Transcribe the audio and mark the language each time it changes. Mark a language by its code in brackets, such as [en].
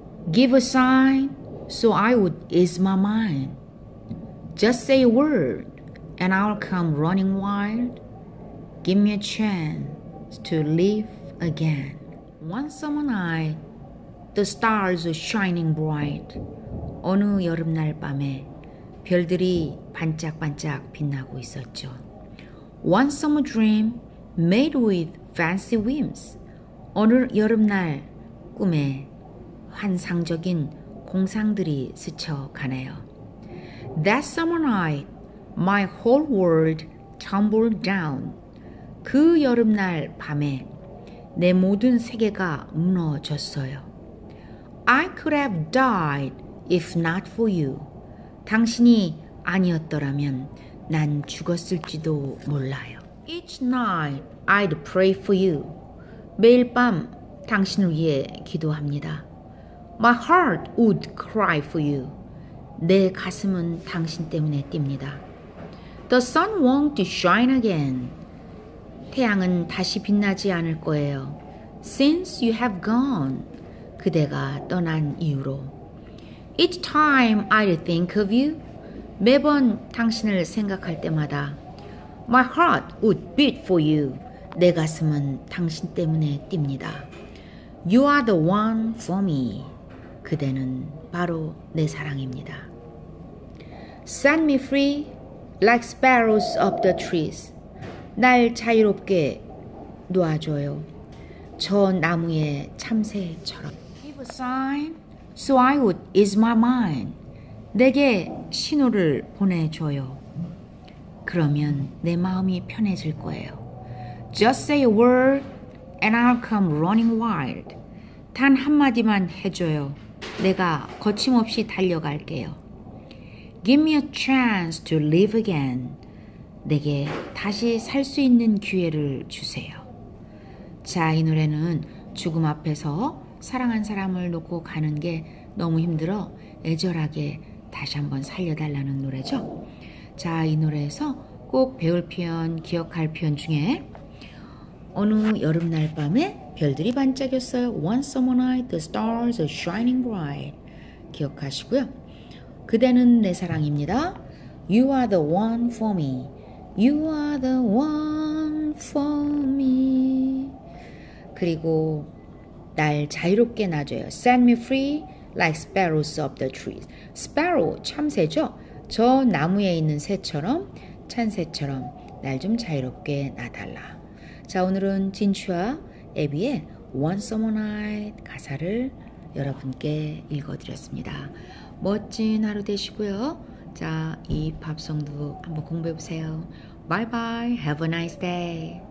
[en] Give a sign so I would ease my mind. Just say a word and I'll come running wild. Give me a chance to live again. One summer night, the stars were shining bright. [ko] 어느 여름날 밤에 별들이 반짝반짝 빛나고 있었죠. [en] One summer dream made with fancy whims. [ko] 어느 여름날 꿈에 환상적인 공상들이 스쳐가네요. [en] That summer night, my whole world tumbled down. [ko] 그 여름날 밤에 내 모든 세계가 무너졌어요. [en] I could have died if not for you. [ko] 당신이 아니었더라면 난 죽었을지도 몰라요. [en] Each night I'd pray for you. [ko] 매일 밤 당신을 위해 기도합니다. [en] My heart would cry for you. [ko] 내 가슴은 당신 때문에 뜁니다. [en] The sun won't shine again. [ko] 태양은 다시 빛나지 않을 거예요. [en] Since you have gone, [ko] 그대가 떠난 이후로. [en] Each time I think of you, [ko] 매번 당신을 생각할 때마다. [en] My heart would beat for you, [ko] 내 가슴은 당신 때문에 뜁니다. [en] You are the one for me, [ko] 그대는 바로 내 사랑입니다. [en] Set me free like sparrows up the trees. [ko] 날 자유롭게 놓아줘요. 저 나무의 참새처럼. [en] Give a sign so I would ease my mind. [ko] 내게 신호를 보내줘요. 그러면 내 마음이 편해질 거예요. [en] Just say a word and I'll come running wild. [ko] 단 한마디만 해줘요. 내가 거침없이 달려갈게요. [en] Give me a chance to live again. [ko] 내게 다시 살 수 있는 기회를 주세요. 자, 이 노래는 죽음 앞에서 사랑한 사람을 놓고 가는 게 너무 힘들어 애절하게 다시 한번 살려달라는 노래죠. 자, 이 노래에서 꼭 배울 표현, 기억할 표현 중에 어느 여름날 밤에 별들이 반짝였어요. [en] One summer night, the stars are shining bright. [ko] 기억하시고요. 그대는 내 사랑입니다. [en] You are the one for me. You are the one for me. [ko] 그리고 날 자유롭게 놔줘요. [en] Set me free like sparrows up the trees. Sparrow, [ko] 참새죠? 저 나무에 있는 새처럼 찬 새처럼 날 좀 자유롭게 놔달라. 자, 오늘은 진추와 애비의 One Summer Night 가사를 여러분께 읽어드렸습니다. 멋진 하루 되시고요. 자, 이 팝송도 한번 공부해보세요. [en] Bye bye. Have a nice day.